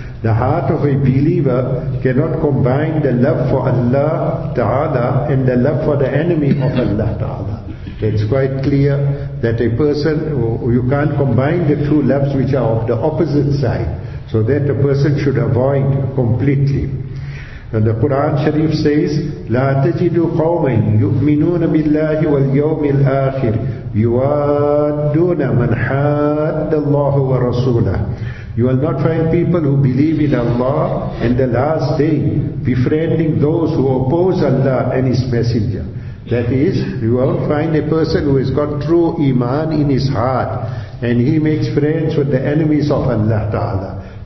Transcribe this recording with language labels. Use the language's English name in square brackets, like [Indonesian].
[English] The heart of a believer cannot combine the love for Allah Ta'ala and the love for the enemy of Allah Ta'ala. It's quite clear that a person, you can't combine the two loves which are of the opposite side. So that a person should avoid completely. And the Quran Sharif says, [Arabic] لَا تَجِدُ قَوْمًا يُؤْمِنُونَ بِاللَّهِ وَالْيَوْمِ الْآخِرِ يُوَادُّونَ مَنْ حَادَّ اللَّهُ وَرَسُولَهُ. [English] You will not find people who believe in Allah and the last day befriending those who oppose Allah and His Messenger. That is, you won't find a person who has got true iman in his heart and he makes friends with the enemies of Allah Ta'ala.